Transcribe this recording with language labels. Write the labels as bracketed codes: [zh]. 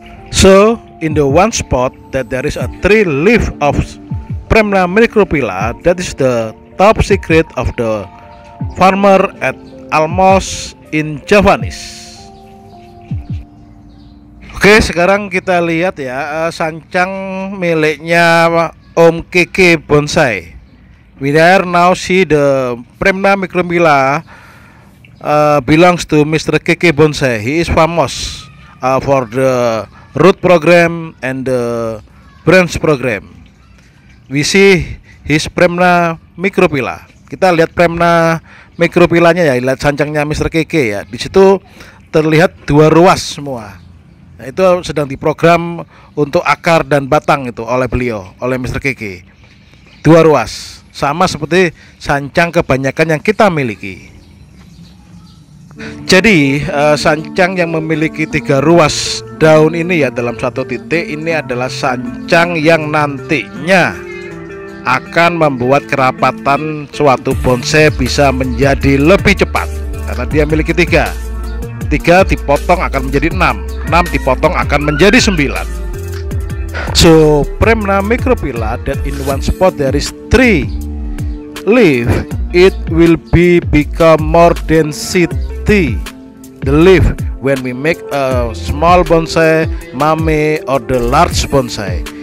[en] So, in the one spot that there is a three leaf of Premna Microphylla, that is the top secret of the farmer at Almos in Javanese. [id] Oke, sekarang kita lihat ya, sancang miliknya Om Keke Bonsai. [en] We are now see the Premna Microphylla belongs to Mr. Keke Bonsai. He is famous for the root program and the branch program. We see his Premna Microphylla. [id] Kita lihat Premna Microphyllanya ya, lihat sancangnya Mr. Keke ya. Di situ terlihat dua ruas semua. Nah, itu sedang diprogram untuk akar dan batang itu oleh beliau, oleh Mr. Keke. Dua ruas, sama seperti sancang kebanyakan yang kita miliki. Jadi sancang yang memiliki tiga ruas daun ini ya dalam satu titik, ini adalah sancang yang nantinya akan membuat kerapatan suatu bonsai bisa menjadi lebih cepat. Karena dia memiliki tiga. Tiga dipotong akan menjadi enam. 6 dipotong akan menjadi 9. [en] So, Premna Microphylla that in one spot there is 3 leaf, it will be become more density the leaf when we make a small bonsai mame or the large bonsai.